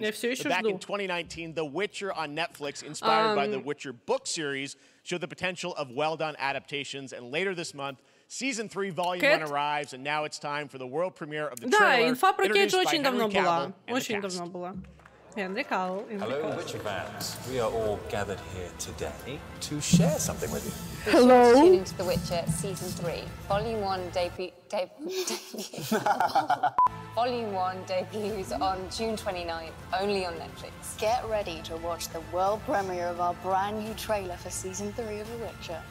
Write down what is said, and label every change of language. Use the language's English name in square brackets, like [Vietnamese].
[English] Back in 2019, The Witcher on Netflix, inspired by the Witcher book series, showed the potential of well-done adaptations. And later this month, Season 3, Volume 1 arrives, and now it's time for the world premiere of the trailer. [Russian] Да, инфа про Кейдж очень давно была. [English] Henry Cavill. Hello, Witcher fans. We are all gathered here today to share something with you. Hello. Tune into The Witcher Season 3, Volume 1 debut. Volume 1 debuts on June 29th, only on Netflix. Get ready to watch the world premiere of our brand new trailer for Season 3 of The Witcher.